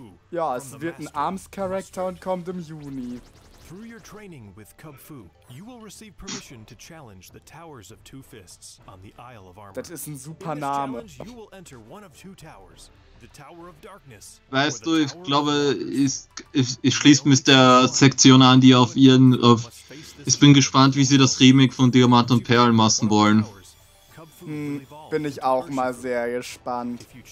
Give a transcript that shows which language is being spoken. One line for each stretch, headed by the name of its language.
German: Ja, es wird ein Arms-Charakter und kommt im Juni.
English: Through your training with Kub Fu, you will receive permission to challenge the Towers of Two Fists on the Isle of Armor.
German: Das ist ein super Name.
English: You will enter one of two towers, the Tower of Darkness.
German: Weißt du, ich glaube, ich schließe mich der Sektion an, die auf ihren... Ich bin gespannt, wie sie das Remake von Diamant und Perl machen wollen. Bin ich auch mal sehr gespannt.